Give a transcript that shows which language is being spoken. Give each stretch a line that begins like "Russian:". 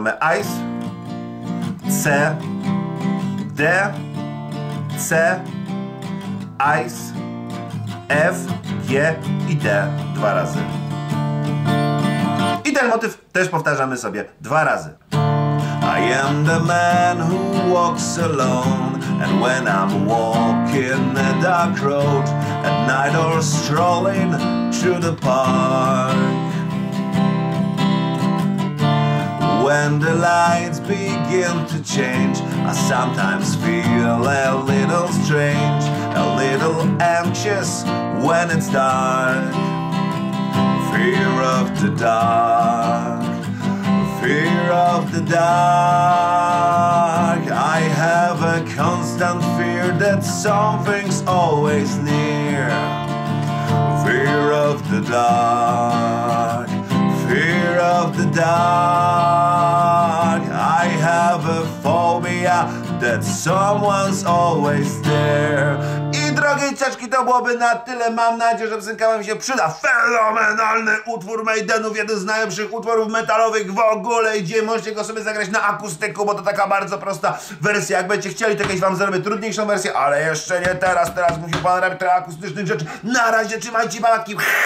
Polish: Mamy Ice, C, D, C, Ice, F, G i D dwa razy. I ten motyw też powtarzamy sobie dwa razy.
English: I am the man who walks alone. And when I'm walking a dark road at night or strolling through the park, when the lights begin to change, I sometimes feel a little strange, a little anxious when it's dark. Fear of the dark, fear of the dark. I have a constant fear that something's always near. Fear of the dark, fear of the dark. I have a phobia that someone's always there.
Polish: I drogie dzieciaczki, to byłoby na tyle. Mam nadzieję, że piosenka wam się przyda. Fenomenalny utwór Maidenów, jeden z najlepszych utworów metalowych w ogóle. Gdzie możecie go sobie zagrać na akustyku, bo to taka bardzo prosta wersja. Jak będziecie chcieli, to kiedyś wam zrobię trudniejszą wersję, ale jeszcze nie teraz. Teraz musi pan robić trochę akustycznych rzeczy. Na razie, trzymajcie babki.